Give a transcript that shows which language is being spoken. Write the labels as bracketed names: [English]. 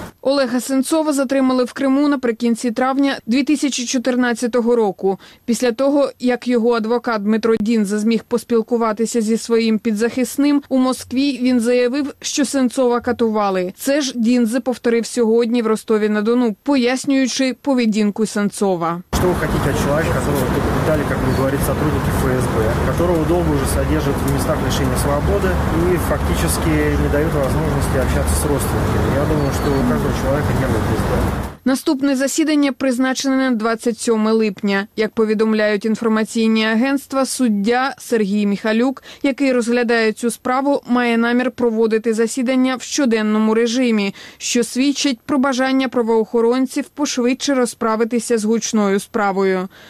[Ukrainian] Олега Сенцова затримали в Криму наприкінці травня 2014 року. Після того, як його адвокат Дмитро Дінза зміг поспілкуватися зі своїм підзахисним, у Москві він заявив, що Сенцова катували. Це ж Дінза повторив сьогодні в Ростові-на-Дону, пояснюючи поведінку Сенцова. [Russian] Что вы хотите от человека, которого пытали, как бы говорит, сотрудники ФСБ, которого долго уже содержат в местах лишения свободы и фактически не дают возможности общаться с родственниками? Я думаю, что у каждого человека нервы пизда. [Ukrainian] Наступне засідання призначене на 27 липня. Як повідомляють інформаційні агентства, суддя Сергій Міхалюк, який розглядає цю справу, має намір проводити засідання в щоденному режимі, що свідчить про бажання правоохоронців пошвидше розправитися з гучною справою.